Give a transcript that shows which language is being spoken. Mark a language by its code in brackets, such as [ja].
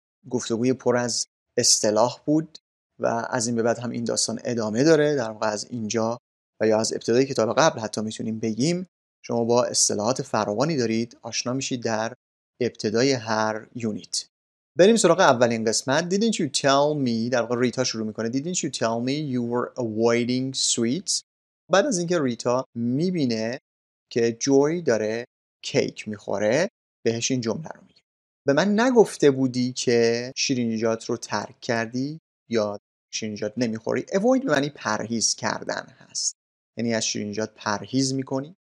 [fa] گفتگوی پر از اصطلاح بود و از این به بعد هم این داستان ادامه داره. در واقع از اینجا و یا از ابتدای کتاب قبل حتی میتونیم بگیم شما با اصطلاحات فراوانی دارید آشنا میشید در ابتدای هر یونیت. بریم سراغ اولین قسمت. [en] Didn't you tell me, [fa] در واقع ریتا شروع میکنه. [en] Didn't you tell me you were avoiding sweets? [fa] بعد از اینکه ریتا میبینه که جوی داره کیک میخوره بهش این جمله رو میگه. به من نگفته بودی که شیرینیجات رو ترک کردی یا شیرینیجات نمیخوری. Avoid به معنی پرهیز کردن هست. یعنی از شیرینیجات پرهیز میکنی.